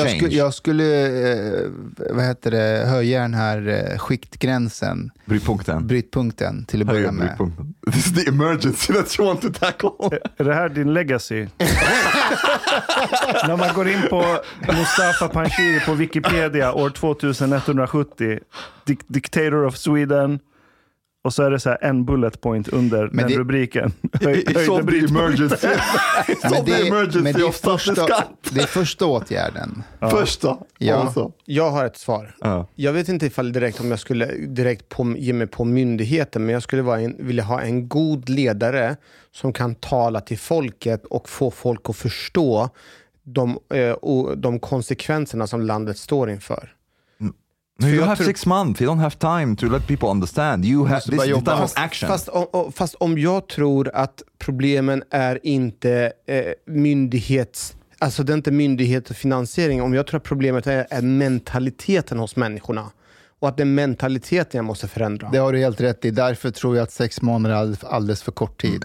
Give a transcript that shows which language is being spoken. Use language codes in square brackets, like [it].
[sv] Jag skulle vad heter det, höja den här skiktgränsen. Brytpunkten till att börja med. [en] This is the emergency that you want to tackle. [sv] Är det här din legacy? När man går in på Mustafa Panshiri på Wikipedia år 2170, [en] Dictator of Sweden, [sv] Och så är det så här en bullet point under men den det, rubriken. Sovjet emergency. Sovjet emergency. Men det är första, det är första åtgärden. Ja. Första. Ja. Alltså. Jag har ett svar. Ja. Jag vet inte ifall direkt om jag skulle direkt på, ge mig på myndigheten. Men jag skulle vara en, vilja ha en god ledare som kan tala till folket och få folk att förstå de, och de konsekvenserna som landet står inför. [en] No, you have six months, you don't have time to let people understand. You have this time of action. [sv] Fast om jag tror att problemen är inte myndighets, alltså det är inte myndighet och finansiering. Om jag tror att problemet är mentaliteten hos människorna. Och att det är mentaliteten jag måste förändra. Det har du helt rätt i. Därför tror jag att 6 månader är alldeles för kort tid.